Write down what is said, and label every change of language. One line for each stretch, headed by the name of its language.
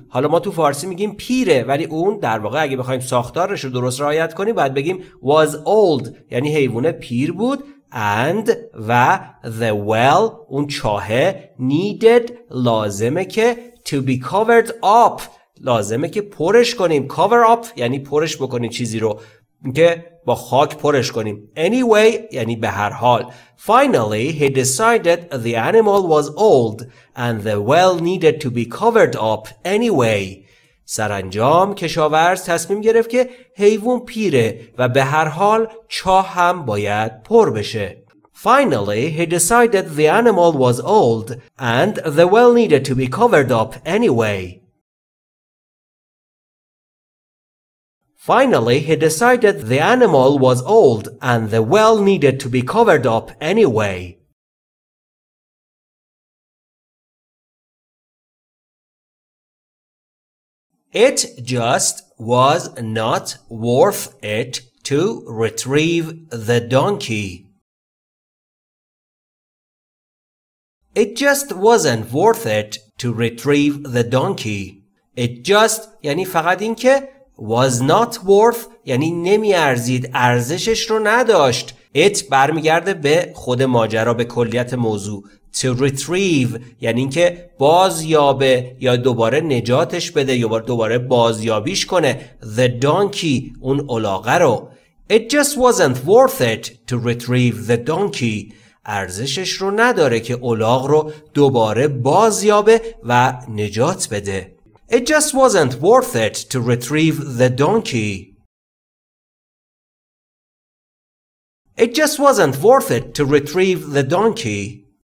Persian: حالا ما تو فارسی میگیم پیره، ولی اون در واقع اگه بخوایم ساختارش رو درست رعایت کنیم باید بگیم
English: was old
Persian: یعنی حیوانه پیر بود.
English: And
Persian: و
English: the well
Persian: اون چاهه
English: needed
Persian: لازمه که
English: to be covered up
Persian: لازمه که پرش کنیم.
English: Cover up
Persian: یعنی پرش بکنیم چیزی رو که با خاک پرش کنیم.
English: Anyway
Persian: یعنی به هر حال.
English: Finally he decided the animal was old and the well needed to be covered up anyway.
Persian: سرانجام کشاورز تصمیم گرفت که حیوان پیره و به هر حال چاه هم باید پر بشه.
English: Finally he decided the animal was old and the well needed to be covered up anyway. Finally, he decided the animal was old and the well needed to be covered up anyway. It just was not worth it to retrieve the donkey. It just wasn't worth it to retrieve the donkey. It just
Persian: یعنی فقط این که
English: was not worth
Persian: یعنی نمی ارزید، ارزشش رو نداشت.
English: It
Persian: برمیگرده به خود ماجرا، به کلیت موضوع.
English: To retrieve
Persian: یعنی این که بازیابه یا دوباره نجاتش بده یا دوباره بازیابیش کنه.
English: The donkey
Persian: اون الاغه رو.
English: It just wasn't worth it to retrieve the donkey.
Persian: ارزشش رو نداره که الاغ رو دوباره بازیابه و نجات بده.
English: It just wasn't worth it to retrieve the donkey. It just wasn't worth it to retrieve the donkey.